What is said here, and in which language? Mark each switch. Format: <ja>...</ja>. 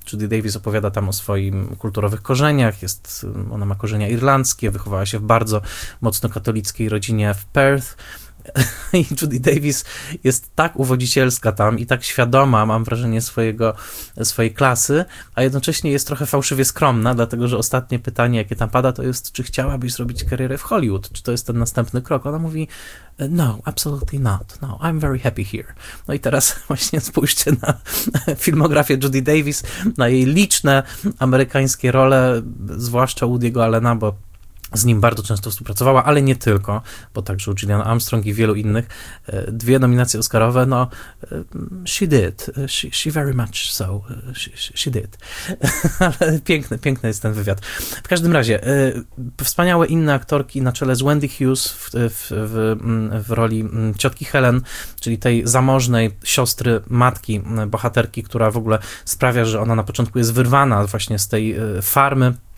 <pl>Judy Davis opowiada tam o swoim kulturowych korzeniach. Ona ma korzenia irlandzkie, wychowała się w bardzo mocno katolickiej rodzinie w Perth. I Judy Davis jest tak uwodzicielska tam i tak świadoma, mam wrażenie, swojej klasy, a jednocześnie jest trochę fałszywie skromna, dlatego że ostatnie pytanie, jakie tam pada, to jest, czy chciałabyś zrobić karierę w Hollywood, czy to jest ten następny krok. Ona mówi, no,</pl> <en>absolutely not, no, I'm very happy here.</en> <pl>No i teraz właśnie spójrzcie na filmografię Judy Davis, na jej liczne amerykańskie role, zwłaszcza Woody'ego Allena, bo z nim bardzo często współpracowała, ale nie tylko, bo także u Gillian Armstrong i wielu innych. Dwie nominacje Oscarowe, no,</pl> <en>she did, she very much so, she did.</en> <pl>Ale piękny, piękny jest ten wywiad. W każdym razie, wspaniałe inne aktorki na czele z Wendy Hughes w roli ciotki Helen, czyli tej zamożnej siostry matki, bohaterki, która w ogóle sprawia, że ona na początku jest wyrwana właśnie z tej farmy</pl>